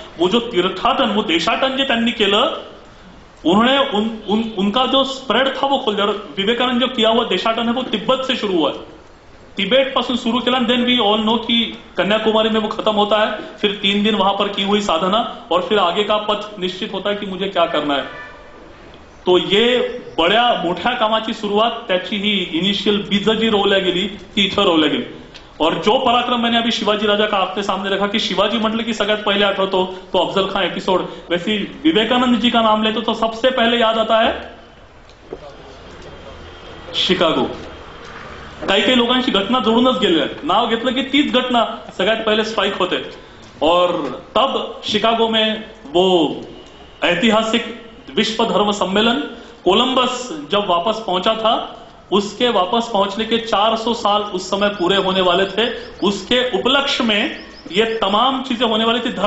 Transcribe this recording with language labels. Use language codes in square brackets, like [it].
[hi] वो जो तीर्थाटन वो देशाटन [mr] जो त्यांनी केलं, [hi] उन्होंने उनका जो स्प्रेड था वो खोल, विवेकानंद जो किया हुआ देशाटन है वो तिब्बत से शुरू हुआ, [mr] तिबेट पासून सुरू केला, [en] then we all know [hi] की कन्याकुमारी में वो खत्म होता है, फिर 3 दिन वहां पर की हुई साधना और फिर आगे का पथ निश्चित होता है कि मुझे क्या करना है। तो ये बड़ा [mr] मोठ्या कामाची सुरुवात त्याची ही इनिशियल बीज जी रोवल्या गेली ती इथं रोवल्या गेली। [hi] और जो पराक्रम मैंने अभी शिवाजी राजा का आपके सामने रखा कि [mr] शिवाजी म्हटलं की सगळ्यात पहिले आठवतो तो अफजल खान एपिसोड, [hi] वैसे विवेकानंद जी का नाम लेतो तो सबसे पहले याद आता है शिकागो। [mr] काही काही लोकांची घटना जोडूनच गेलेल्या, नाव घेतलं की तीच घटना सगळ्यात पहिले स्ट्राईक होते, [hi] और तब शिकागो में वो ऐतिहासिक विश्व धर्म सम्मेलन, कोलंबस जब वापस पहुंचा था उसके वापस पहुंचने के 400 साल उस समय पूरे होने वाले थे, उसके उपलक्ष्य में ये तमाम चीजें होने वाली थी।